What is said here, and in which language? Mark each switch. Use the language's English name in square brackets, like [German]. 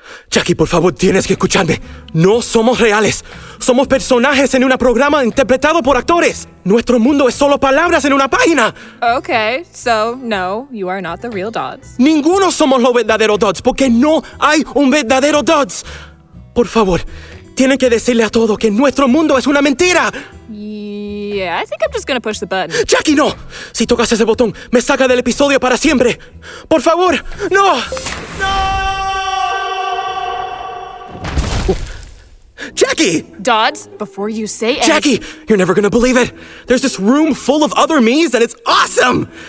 [Spanish] Jackie, por favor, tienes que escucharme. No somos reales. Somos personajes en un programa interpretado por actores. Nuestro mundo es solo palabras en una página. [English] Okay, so no, you are not the real Dodds. [Spanish] Ninguno somos los verdaderos Dodds, porque no hay un verdadero Dodds. Por favor, tienen que decirle a todos que nuestro mundo es una mentira. [English] Yeah, I think I'm just gonna push the button. [Spanish] Jackie, no! Si tocas ese botón, me saca del episodio para siempre. Por favor, no! No! Jackie! [English] Dodds, before you say anything... Jackie, you're never gonna believe it. There's this room full of other me's and it's awesome!